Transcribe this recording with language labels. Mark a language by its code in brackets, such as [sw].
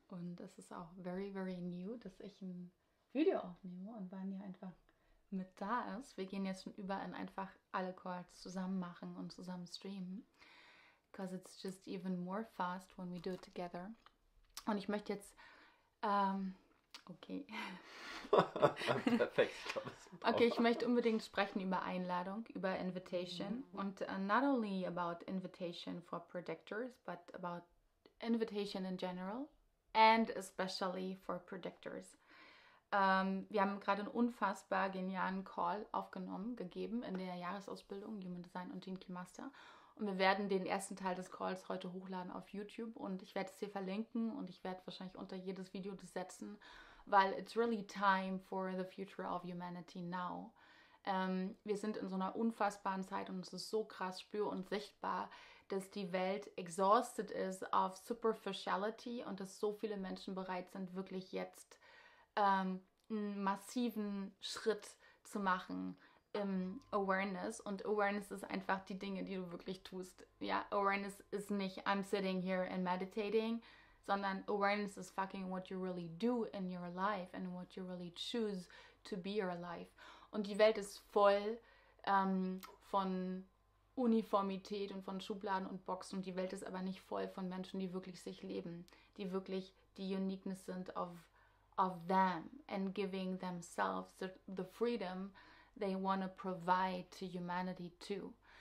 [de] Und es ist auch [en] very, very new, [de] dass ich ein Video aufnehme und Vanya einfach mit da ist. Wir gehen jetzt schon über in einfach alle Calls zusammen machen und zusammen streamen. [en] Because it's just even more fast when we do it together. [de] Und ich möchte jetzt. Okay. Perfekt, ich glaube, es Okay, ich braucht. möchte unbedingt sprechen über Einladung, über Invitation. [en] Und not only about Invitation for Predictors, but about Invitation in general and especially for Predictors. [de] Wir haben gerade einen unfassbar genialen Call aufgenommen, gegeben in der Jahresausbildung Human Design und Jinki Master. Und wir werden den ersten Teil des Calls heute hochladen auf YouTube und ich werde es hier verlinken und ich werde wahrscheinlich unter jedes Video das setzen. [en] Weil it's really time for the future of humanity now. [de] Wir sind in so einer unfassbaren Zeit und es ist so krass spür- und sichtbar, dass die Welt exhausted ist auf Superficiality und dass so viele Menschen bereit sind, wirklich jetzt einen massiven Schritt zu machen im Awareness. Und Awareness ist einfach die Dinge, die du wirklich tust. Ja, Awareness ist nicht, [en] I'm sitting here and meditating. Sondern Awareness is fucking what you really do in your life and what you really choose to be your life. [de] Und die Welt ist voll von Uniformität und von Schubladen und Boxen. Und die Welt ist aber nicht voll von Menschen, die wirklich sich leben, die wirklich die Uniqueness sind [en] of them and giving themselves the freedom they want to provide to humanity too.